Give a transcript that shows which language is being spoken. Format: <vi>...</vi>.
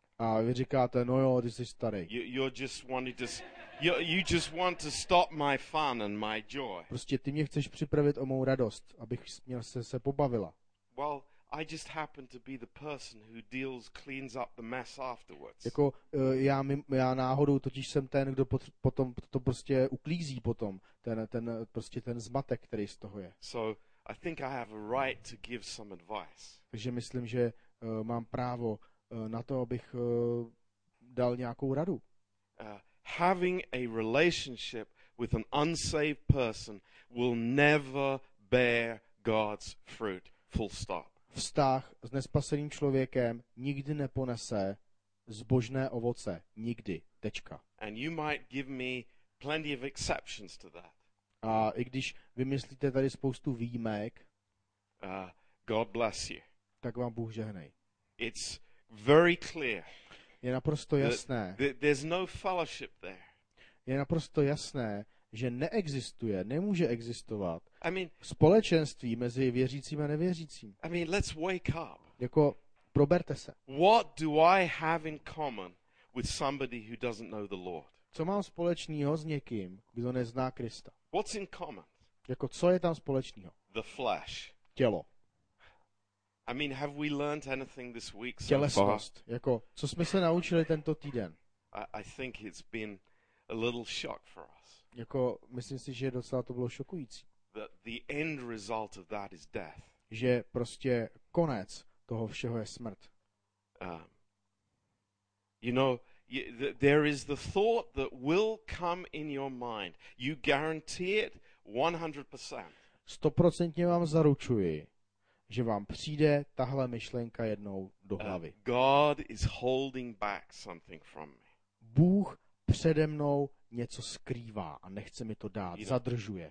<cs>A vy říkáte, no jo, ty jsi starý.</cs> <en>You just want to stop my fun and my joy.</en> <cs>Prostě ty mě chceš připravit o mou radost, abych měl se pobavila.</cs> <en>Well, I just happen to be the person who deals, cleans up the mess afterwards.</en> <cs>Jako já náhodou totiž jsem ten, kdo potom to prostě uklízí potom ten zmatek, který z toho je.</cs> <en>So I think I have a right to give some advice.</en> <cs>Takže myslím, že mám právo na to, abych dal nějakou radu.</cs> <en>Having a relationship with an unsaved person will never bear God's fruit. Full stop.</en> <cs>Vztah s nespaseným člověkem nikdy neponese zbožné ovoce. Nikdy. Tečka.</cs> <en>And you might give me plenty of exceptions to that.</en> <cs>A i když vymyslíte tady spoustu výjimek,</cs> <en>God bless you.</en> <cs>Tak vám Bůh žehnej.</cs> <en>It's very clear.</en> <cs>Je naprosto jasné.</cs> <en>There's no fellowship there.</en> <cs>Je naprosto jasné, že neexistuje, nemůže existovat</cs> <en>I mean,</en> <cs>společenství mezi věřícím a nevěřícím.</cs> <en>I mean, let's wake up.</en> <cs>Jako proberte se.</cs> <en>What do I have in common with somebody who doesn't know the Lord?</en> <cs>Co mám společného s někým, kdo nezná Krista?</cs> <en>What's in common?</en> <cs>Jako co je tam společného?</cs> <en>The flesh.</en> <cs>Tělo.</cs> <en>I mean, have we learned anything this week so far?</en> <cs>Tělesnost. Jako co jsme se naučili tento týden?</cs> <en>I think it's been a little shock for us.</en> <cs>Jako myslím si, že docela to bylo šokující.</cs> <en>That the end result of that is death.</en> <cs>Že prostě konec toho všeho je smrt.</cs> <en>You know, there is the thought that will come in your mind. You guarantee it 100%.</en> <cs>100% vám zaručuji, že vám přijde tahle myšlenka jednou do hlavy.</cs> <en>God is holding back something from me.</en> <cs>Bůh přede mnou něco skrývá a nechce mi to dát, zadržuje.</cs>